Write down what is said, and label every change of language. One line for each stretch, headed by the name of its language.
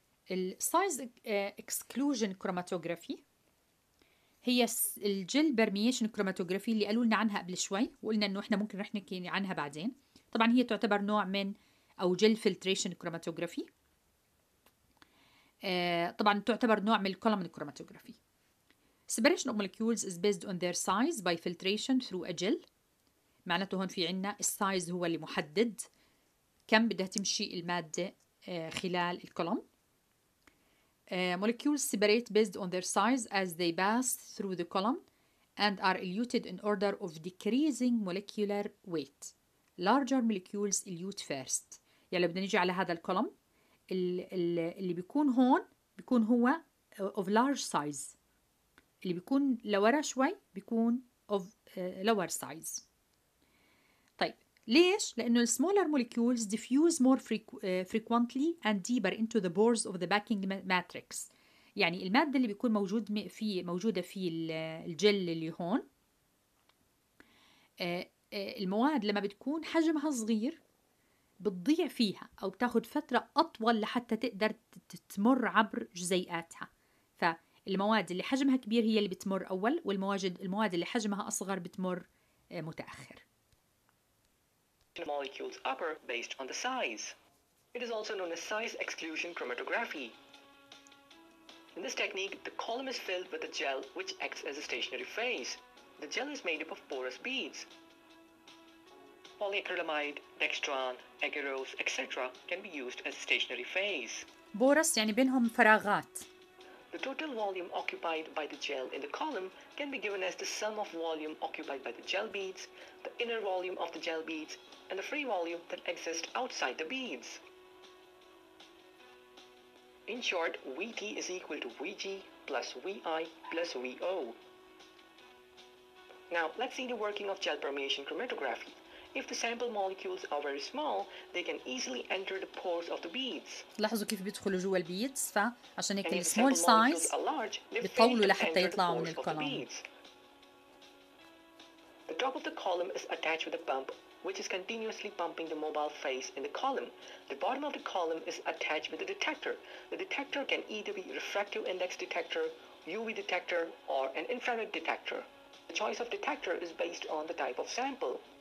Arabic: الـ size exclusion chromatography هي الجل برميشن كروماتوغرافي اللي قالوا لنا عنها قبل شوي وقلنا انه احنا ممكن رح نحكي عنها بعدين. طبعا هي تعتبر نوع من او جل فلتريشن كروماتوغرافي، طبعا تعتبر نوع من الكولومن كروماتوغرافي.
English: separation of molecules is based on their size by filtration through a gel.
Arabic: معناته هون في عنا السايز هو اللي محدد كم بدها تمشي المادة خلال الكولوم.
English: Molecules separate based on their size as they pass through the column and are eluted in order of decreasing molecular weight. Larger molecules elute first.
Arabic: يعني لو بدنا نجي على هذا الكولوم اللي بيكون هون بيكون هو
English: of large size،
Arabic: اللي بيكون لورا شوي بيكون
English: of lower size.
Arabic: طيب ليش؟ لأنه
English: smaller molecules diffuse more frequently and deeper into the pores of the backing matrix.
Arabic: يعني المادة اللي بيكون موجود في موجودة في الجل اللي هون، المواد لما بتكون حجمها صغير بتضيع فيها أو بتاخد فترة أطول لحتى تقدر تمر عبر جزيئاتها. فالمواد اللي حجمها كبير هي اللي بتمر أول، والمواد اللي حجمها أصغر بتمر متأخر.
English: Molecules upper based on the size. It is also known as size exclusion chromatography. In this technique, the column is filled with a gel which acts as a stationary phase. The gel is made up of porous beads. Polyacrylamide, dextran, agarose, etc. can be used as a stationary phase.
Arabic: Porous يعني بينهم فراغات.
English: The total volume occupied by the gel in the column can be given as the sum of volume occupied by the gel beads, the inner volume of the gel beads, and the free volume that exists outside the beads. In short, Vt is equal to Vg plus Vi plus Vo. Now, let's see the working of gel permeation chromatography. If the sample molecules are very small, they can easily enter the pores of the beads.
Arabic: لاحظوا كيف بيدخلوا جوا البيدز، فعشان هيك السمول سايز بيطولوا لحتى يطلعوا من الكولوم.
English: The top of the column is attached with a pump which is continuously pumping the mobile phase in the column. The bottom of the column is attached with a detector. The detector can either be refractive index detector, UV detector or an infrared detector. The choice of detector is based on the type of sample.